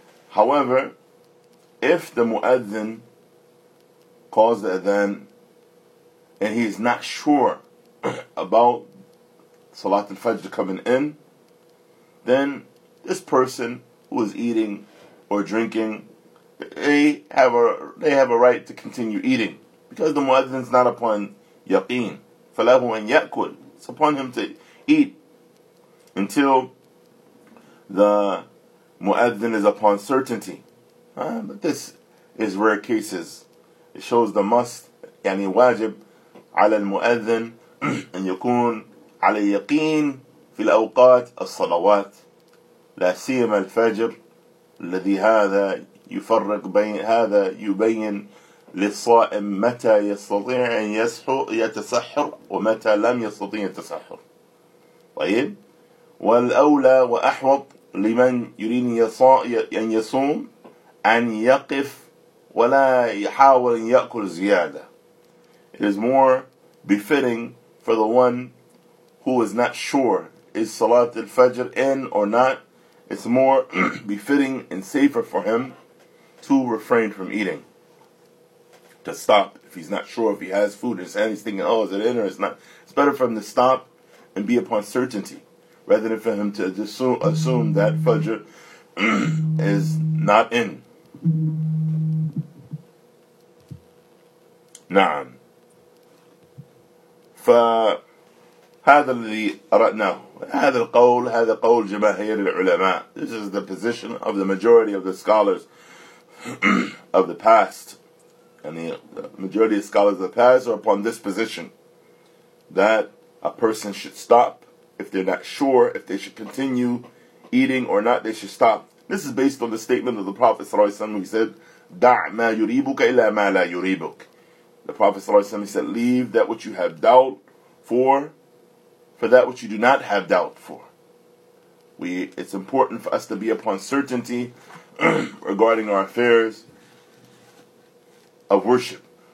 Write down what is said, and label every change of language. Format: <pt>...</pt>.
<en>However, if the Muadhin calls the Adhan and he is not sure about Salat al-Fajr coming in, then this person who is eating or drinking, they have a right to continue eating because the muadhin is not upon yaqeen.</en> <ar>فَلَهُ أَنْ يَأْكُلْ.</ar> <en>It's upon him to eat until the muadhin is upon certainty. But this is rare cases. It shows the must,</en> <ar>يعني واجب على المؤذن أن يكون على يقين في الأوقات الصلوات. لا سيما الفجر الذي هذا يفرق بين هذا يبين للصائم متى يستطيع أن يتسحر ومتى لم يستطيع التسحر. طيب, والأولى وأحوط لمن يريد أن يصوم أن يقف ولا يحاول أن يأكل زيادة.</ar> <en>It is more befitting for the one who is not sure is Salat al-Fajr in or not. It's more befitting and safer for him to refrain from eating. To stop if he's not sure if he has food in his hand. He's thinking, oh, is it in or is it not? It's better for him to stop and be upon certainty rather than for him to assume that Fajr is not in. Na'am.</en> <ar>هذا الذي أردناه. هذا القول, هذا قول جماهير العلماء.</ar> <en>This is the position of the majority of the scholars of the past. And the majority of scholars of the past are upon this position, that a person should stop if they're not sure if they should continue eating or not, they should stop. This is based on the statement of the Prophet ﷺ. He said,</en> <ar>دع ما يريبك إلا ما لا يريبك.</ar> <en>The Prophet ﷺ, he said, leave that which you have doubt for that which you do not have doubt for. It's important for us to be upon certainty regarding our affairs of worship.</en>